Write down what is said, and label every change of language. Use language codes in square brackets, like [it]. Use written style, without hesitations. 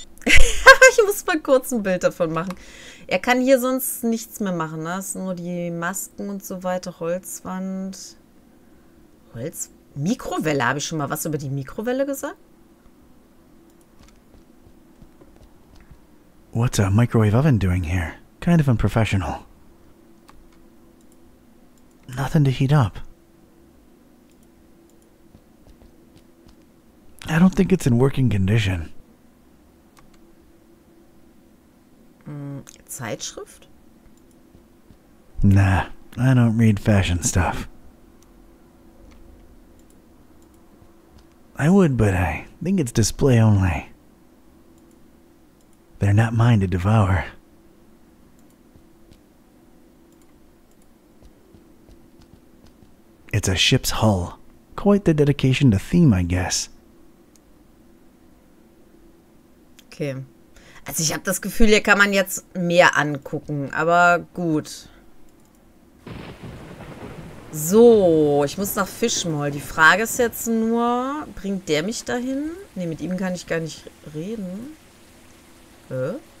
[de] Ich muss mal kurz ein Bild davon machen. Er kann hier sonst nichts mehr machen, ne? Es sind nur die Masken und so weiter, Holzwand. Holz? Mikrowelle? Habe ich schon mal was über die Mikrowelle gesagt? [en] What's a microwave oven doing here? Kind of unprofessional. Nothing to heat up. I don't think it's in working condition. [de] Zeitschrift? [en] Nah, I don't read fashion stuff. I would, but I think it's display only. They're not mine to devour. It's a ship's hull. Quite the dedication to theme, I guess. Okay. [de] Also ich habe das Gefühl, hier kann man jetzt mehr angucken, aber gut. So, ich muss nach Fishmall. Die Frage ist jetzt nur, bringt der mich dahin? Ne, mit ihm kann ich gar nicht reden. Hä?